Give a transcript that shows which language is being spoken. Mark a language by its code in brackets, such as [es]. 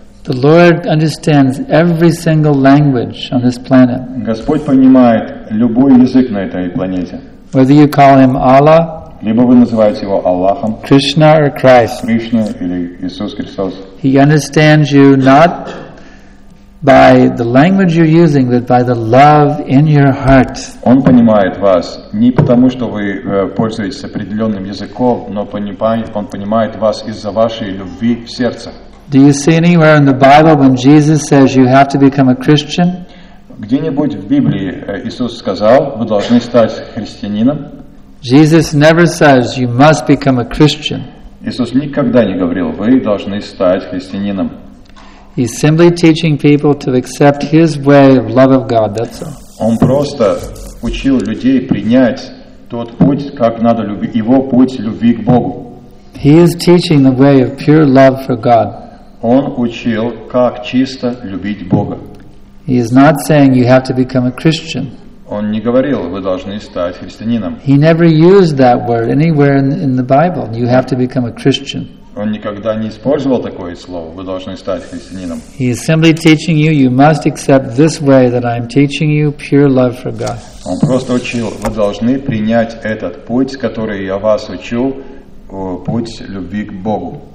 [en] The Lord understands every single language on this planet. [ru] Господь понимает любой язык на этой планете. [en] Whether you call him Allah. [ru] Либо вы называете его Аллахом. [en] Krishna or Christ. [ru] Кришна или Иисус Христос. [en] He understands you not by the language you're using, but by the love in your heart. [ru] Он понимает вас не потому, что вы пользуетесь определенным языком, но он понимает вас из-за вашей любви в сердце. [en] Do you see anywhere in the Bible when Jesus says you have to become a Christian? [ru] Где-нибудь в Библии Иисус сказал, вы должны стать христианином? [en] Jesus never says you must become a Christian. [ru] Иисус никогда не говорил, вы должны стать христианином. [en] He's simply teaching people to accept his way of love of God, that's all. [ru] Он просто учил людей принять тот путь, как надо любить, его путь любви к Богу. [en] He is teaching the way of pure love for God. [ru] Он учил, как чисто любить Бога. [en] He is not saying you have to become a Christian. [ru] Он не говорил, вы должны стать христианином. [en] He never used that word anywhere in the Bible, you have to become a Christian. [ru] Он никогда не использовал такое слово, вы должны стать христианином. [en] He is simply teaching you, you must accept this way that I am teaching you, pure love for God. [ru] Он просто учил, вы должны принять этот путь, который я вас учу, путь любви к Богу.